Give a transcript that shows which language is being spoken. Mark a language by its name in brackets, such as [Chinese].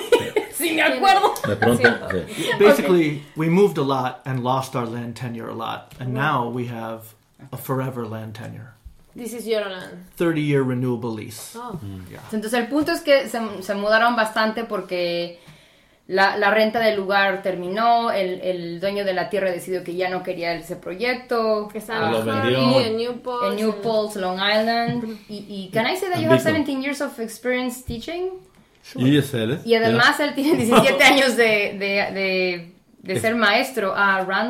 [English] Basically, we moved a lot and lost our land tenure a lot, and now we have a forever land tenure. This is your land. 30-year renewable lease. Oh. Mm. Yeah. [Spanish] Entonces, el punto es que se mudaron bastante porque... La renta del lugar terminó, el dueño de la tierra decidió que ya no quería ese proyecto. Que estaba en New Paltz, Long Island. [English] Y can I say that you have 17 years of experience teaching? Sure. ESL. [Spanish] Y además él tiene 17 años de ser maestro a